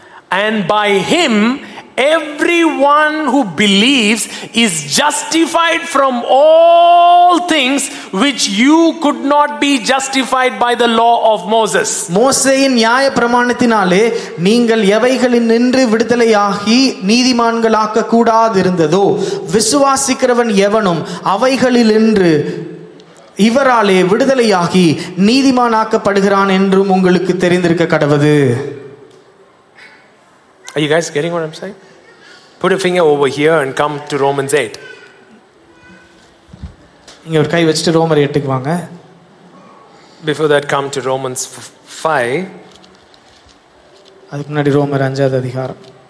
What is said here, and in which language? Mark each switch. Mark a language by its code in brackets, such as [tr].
[en] And by him everyone who believes is justified from all things which you could not be justified by the law of Moses. [ta] மோசேயின் நியாய பிரமாணத்தினாலே நீங்கள் எவைகளின் நின்று விடுதலையாகி நீதிமான்களாக்க கூடாதிருந்ததோ விசுவாசிக்கிறவன் எவனும் அவைகளிலின்று இவராலே விடுதலையாகி நீதிமானாக்கப்படுகிறான் என்றும் உங்களுக்கு தெரிந்திருக்க கடவது. [en] Are you guys getting what I'm saying? Put a finger over here and come to Romans 8. [ta] இங்க ஒரு கை வச்சிட்டு ரோமர் 8 க்கு வாங்க. [en] Before that come to Romans 5. [ta] அதுக்கு முன்னாடி ரோமர் 5வது அதிகாரம்.